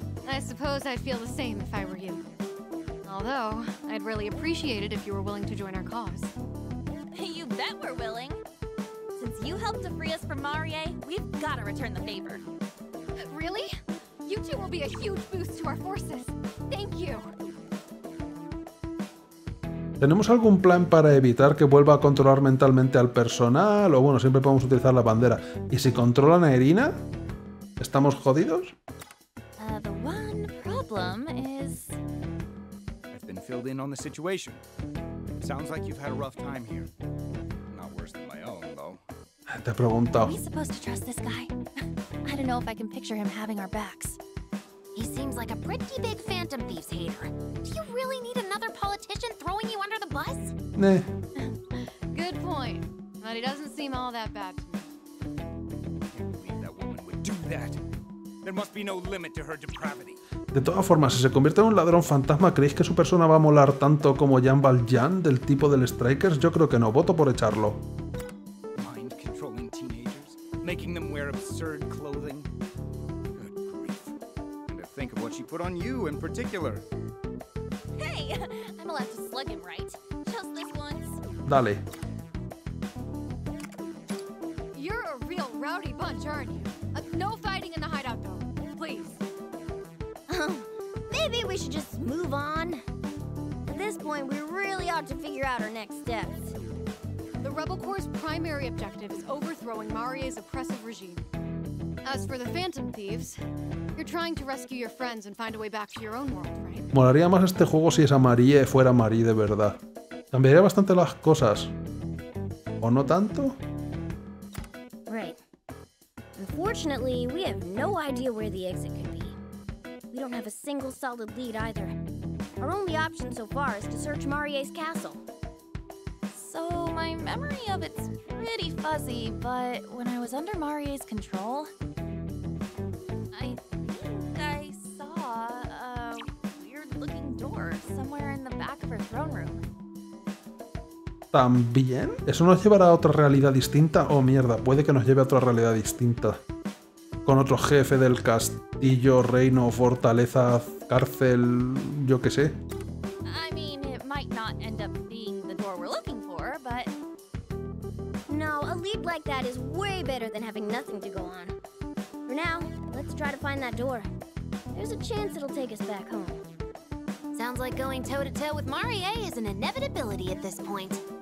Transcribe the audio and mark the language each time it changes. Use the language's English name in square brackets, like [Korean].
[English] I suppose I'd feel the same if I were you. Although, I'd really appreciate it if you were willing to join our cause. You bet we're willing. Since you helped to free us from Marie, we've got to return the favor. Really? You two will be a huge boost to our forces. Thank you. [Spanish] ¿Tenemos algún plan para evitar que vuelva a controlar mentalmente al personal? O bueno, siempre podemos utilizar la bandera. ¿Y si controlan a Irina? ¿Estamos jodidos? [English] The one problem is... filled in on the situation. Sounds like you've had a rough time here. Not worse than my own, though. [Spanish] Te he preguntado. [English] Are we supposed to trust this guy? I don't know if I can picture him having our backs. He seems like a pretty big Phantom Thieves hater. Do you really need another politician throwing you under the bus? Nah. Good point. But he doesn't seem all that bad to me. I can't believe that woman would do that. There must be no limit to her depravity. [Spanish] De todas formas, si se convierte en un ladrón fantasma, ¿creéis que su persona va a molar tanto como Jean Valjean del tipo del Strikers? Yo creo que no, voto por echarlo. [English] Mind controlling teenagers, making them wear absurd clothing. Good grief. And to think of what she put on you in particular. Hey, I'm allowed to slug him, right? Just this once. [Spanish] Dale. [English] You're a real rowdy bunch, aren't you? No fighting in the hideout, though. Please. Maybe we should just move on. At this point, we really ought to figure out our next steps. The Rebel Corps' primary objective is overthrowing Marie's oppressive regime. As for the Phantom Thieves, you're trying to rescue your friends and find a way back to your own world, right? [Spanish] Molaría más este juego si esa Marie fuera Marie de verdad. Cambiaría bastante las cosas. ¿O no tanto? [English] Right. Unfortunately, we have no idea where the exit could be. We don't have a single solid lead either. Our only option so far is to search Marie's castle. So my memory of it's pretty fuzzy, but when I was under Marie's control, I think I saw a weird-looking door somewhere in the back of her throne room. [Spanish] ¿También? ¿Eso nos llevará a otra realidad distinta? Oh, mierda, puede que nos lleve a otra realidad distinta. Con otro jefe del castillo, reino, fortaleza, cárcel, yo qué sé. [English] I mean, it might not end up being the door we're looking for, but... No, a lead like that is way better than having nothing to go on. For now, let's try to find that door. There's a chance it'll take us back home. Sounds like going toe-to-toe with Marie is an inevitability at this point.